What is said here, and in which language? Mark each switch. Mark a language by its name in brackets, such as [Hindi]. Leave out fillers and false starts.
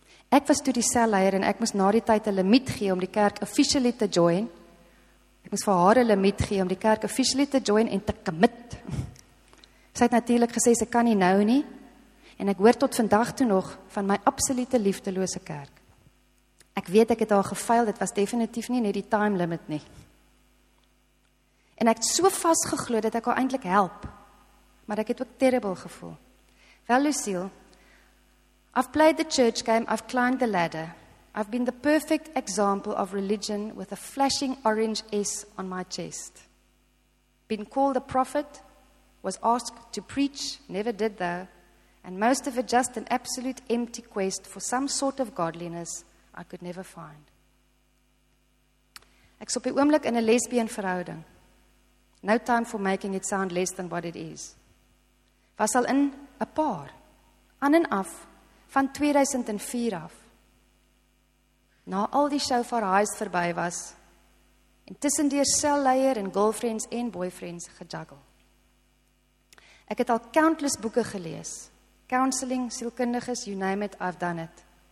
[Afrikaans] Ek was toe die selleier, en ek moes na die tyd 'n limiet gee om die kerk officially te join, ek moes vir haar 'n limiet gee om die kerk officially te join en te commit. Sy het natuurlik gesê, sy kan nie nou nie, en ek hoor tot vandag toe nog van my absolute liefdelose kerk. Ek weet ek het al gefail, dit was definitief nie net die time limit nie. En ek het so vast geglo dat ek al eintlik help, maar ek het ook terrible gevoel. [English] Wel Lucille, I've played the church game, I've climbed the ladder, I've been the perfect example of religion with a flashing orange S on my chest. Been called a prophet, was asked to preach, never did though, and most of it just an absolute empty quest for some sort of godliness I could never find. [Afrikaans] Ek is op die oomblik in 'n lesbien verhouding. [English] No time for making it sound less than what it is. [Afrikaans] Was al in 'n paar, aan en af, van 2004 af. Na al die shofar highs verby was, en tussendeur selleier en girlfriends en boyfriends gejuggle. Ek het al countless boeke gelees, counseling, sielkundiges, [English] you name it, I've done it.